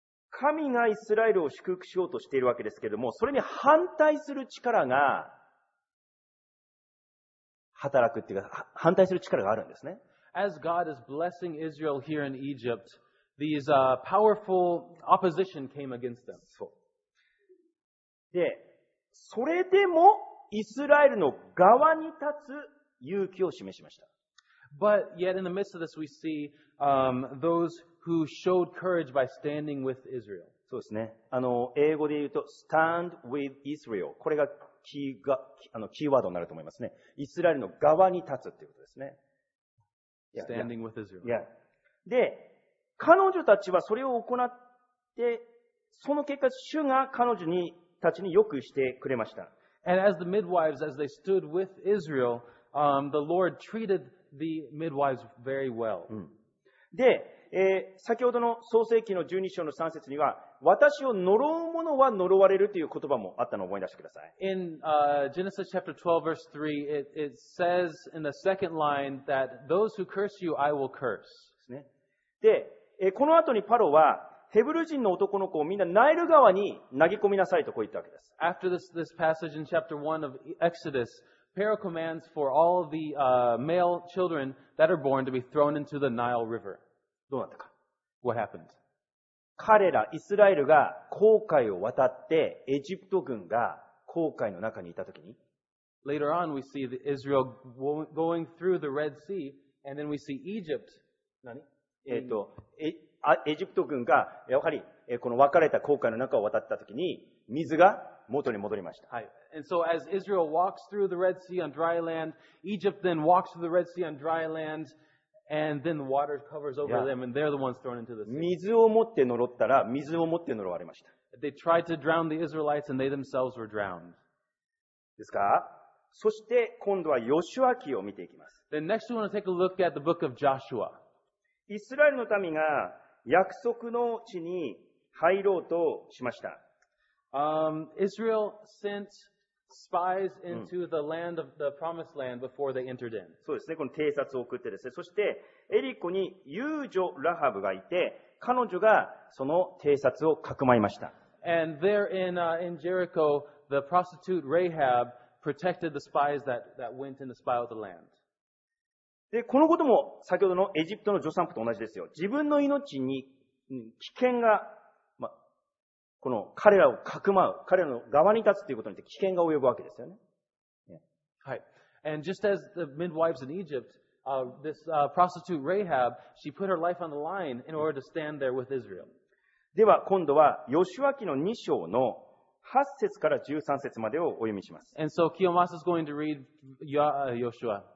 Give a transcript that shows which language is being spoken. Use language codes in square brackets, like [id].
[ja] 神がイスラエルを祝福しようとしているわけですけれども、それに反対する力が働くっていうか、反対する力があるんですね。 [en] As God is blessing Israel here in Egypt, these, powerful opposition came against them. [ja] そう。で、それでもイスラエルの側に立つ勇気を示しました。 [en] But yet in the midst of this we see, those who showed courage by standing with Israel. [ja] そうですね。英語で言うと [en] stand with Israel。 [ja] これがキーワードになると思いますね。イスラエルの側に立つということですね。 [en] Standing with Israel. Yeah. [ja] で、彼女たちはそれを行って、その結果主が彼女にたちによくしてくれました。 [en] And as the midwives, as they stood with Israel, the Lord treated the midwives very well. [ja] で、先ほどの創世記の12章の3節には、私を呪う者は呪われるという言葉もあったのを思い出してください。 [en] In, Genesis chapter 12 verse 3, it says in the second line that those who curse you, I will curse. [ja] ですね。で、この後にパロは、ヘブル人の男の子をみんなナイル川に投げ込みなさいとこう言ったわけです。 [en] After this passage in chapter 1 of Exodus, Pharaoh commands for all of the, male children that are born to be thrown into the Nile River. [ja] どうなったか。 [en] What happened? [ja] 彼ら、イスラエルが紅海を渡って、エジプト軍が紅海の中にいたときに。 [en] Later on, we see the Israel going through the Red Sea, and then we see Egypt. [ja] 何? エジプト軍がやはりこの分かれた紅海の中を渡ったときに水が元に戻りました。はい。 [en] And so as Israel walks through the Red Sea on dry land, Egypt then walks through the Red Sea on dry land, and then the water covers over them, and they're the ones thrown into the sea. [ja] 水を持って呪ったら水を持って呪われました。 [en] They tried to drown the Israelites, and they themselves were drowned. [ja] ですか? そして今度はヨシュア記を見ていきます。 [en] Then next we want to take a look at the book of Joshua. [ja] イスラエルの民が約束の地に入ろうとしました。 [en] Israel sent spies into the land of the promised land before they entered in. [ja] そうですね。この偵察を送ってですね。そして、エリコに遊女ラハブがいて、彼女がその偵察をかくまいました。 [en] And there in Jericho, the prostitute Rahab protected the spies that went in to spy out the land. [ja] で、このことも先ほどのエジプトの助産婦と同じですよ。自分の命に危険が、ま、この彼らをかくまう、彼らの側に立つということによって危険が及ぶわけですよね。はい。 [en] And just as the midwives in Egypt, this, prostitute Rahab, she put her life on the line in order to stand there with Israel. [ja] では、今度はヨシュア記の2章の8節から13節までをお読みします。 [en] And so Kiyomasa is going to read Joshua.